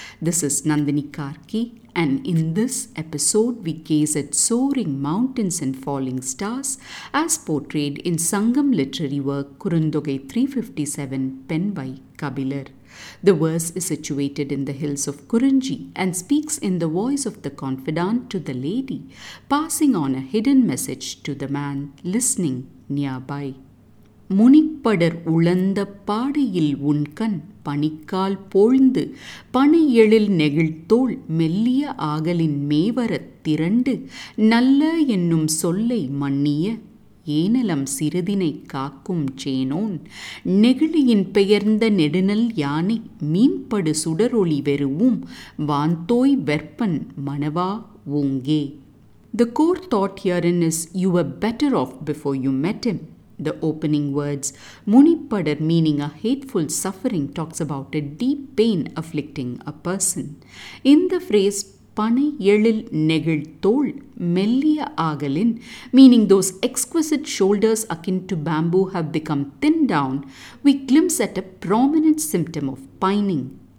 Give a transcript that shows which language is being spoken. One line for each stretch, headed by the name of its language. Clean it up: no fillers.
English: This is Nandini Karki, and in this episode we gaze at soaring mountains and falling stars as portrayed in Sangam literary work Kurundogai 357, penned by Kabilar. The verse is situated in the hills of Kurunji and speaks in the voice of the confidant to the lady, passing on a hidden message to the man listening nearby.
Tamil: முனிப்படர் உழந்த பாடையில் உன்கண் பணிக்கால் போழ்ந்து பனை எழில் நெகிழ்த்தோள் மெல்லிய ஆகலின் மேவரத் திரண்டு நல்ல என்னும் சொல்லை மன்னிய ஏனலம் சிறிதினை காக்கும் சேனோன் நெகிழியின் பெயர்ந்த நெடுநல் யானை மீன்படு சுடரொளி வெறுவும் வான்தோய் வெற்பன் Manoah Onge.
English: The core thought herein is you were better off before you met him. The opening words, Munipadar, meaning a hateful suffering, talks about a deep pain afflicting a person. In the phrase,
Tamil: Panai Yelil Negilthol, Melliya Agalin,
English: meaning those exquisite shoulders akin to bamboo have become thinned down, we glimpse at a prominent symptom of pining.